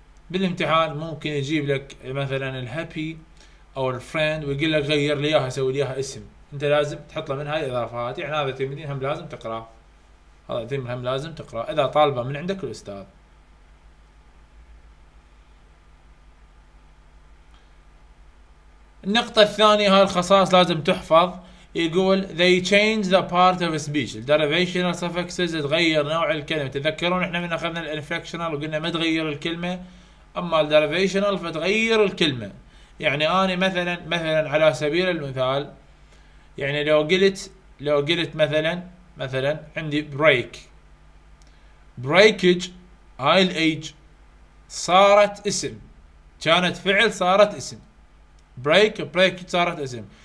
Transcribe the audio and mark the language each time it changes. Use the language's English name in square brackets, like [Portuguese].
[Arabic] بالامتحان ممكن يجيب لك مثلا الهابي او الفريند ويقول لك غير لي اياها سوي لي اياها اسم، انت لازم تحط له من هاي الاضافات. يعني هذا تمرين هم لازم تقراه، هذا تمرين هم لازم تقراه اذا طالبه من عندك الاستاذ. النقطه الثانيه هاي الخصائص لازم تحفظ. يقول [English] they change the part of speech derivational suffixes، [Arabic] تغير نوع الكلمه. تذكرون احنا من اخذنا الانفلكشنال وقلنا ما تغير الكلمه، اما الديريفيشنال فتغير الكلمه. يعني انا مثلا على سبيل المثال، يعني لو قلت مثلا عندي break breakage، هاي الage صارت اسم، كانت فعل صارت اسم، break breakage صارت اسم.